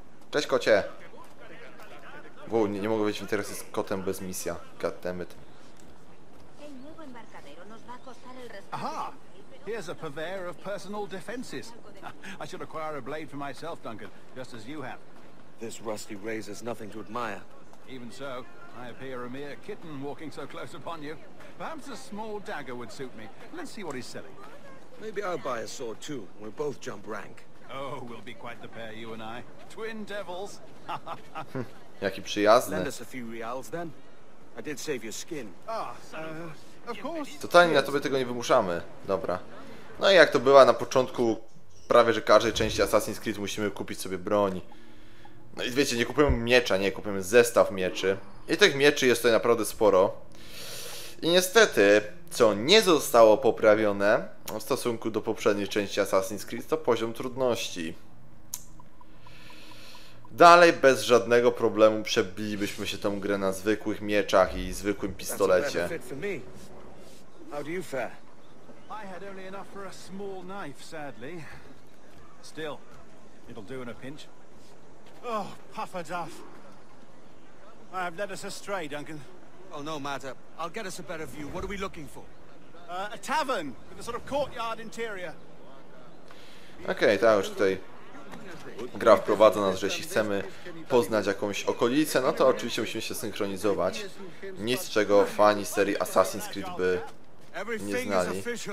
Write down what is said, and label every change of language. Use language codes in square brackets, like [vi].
[pl] Cześć, kocie. Wow, nie mogę być w interakcji z kotem bez misja, goddammit. Aha! [en] Here's a purveyor of personal defenses. I should acquire a blade for myself, Duncan, just as you have. This rusty razor's nothing to admire. Even so, I appear a mere kitten walking so close upon you. Perhaps a small dagger would suit me. Let's see what he's selling. Maybe I'll buy a sword too, and we'll both jump rank. Oh, we'll be quite the pair, you and I. Twin devils! [pl] Jaki przyjazny. [en] Lend us a few reals, then. I did save your skin. Ah, [pl] totalnie na tobie tego nie wymuszamy. Dobra. No i jak to bywa na początku prawie że każdej części Assassin's Creed, musimy kupić sobie broń. No i wiecie, nie kupujemy miecza, nie, kupujemy zestaw mieczy. I tych mieczy jest tutaj naprawdę sporo. I niestety, co nie zostało poprawione w stosunku do poprzedniej części Assassin's Creed, to poziom trudności. Dalej bez żadnego problemu przebilibyśmy się tą grę na zwykłych mieczach i zwykłym pistolecie. [en] How do you fare? I had only enough for a small knife, sadly. Still, it'll do in a pinch. Oh, Puffer Duff. I have led us astray, Duncan. Oh, no matter. I'll get us a better view. What are we looking for? A tavern with a sort of courtyard interior. [pl] Okej, okay, ta już tutaj gra wprowadza nas, że jeśli chcemy poznać jakąś okolicę, no to oczywiście musimy się synchronizować. Nic, czego fani serii Assassin's Creed by nie znali.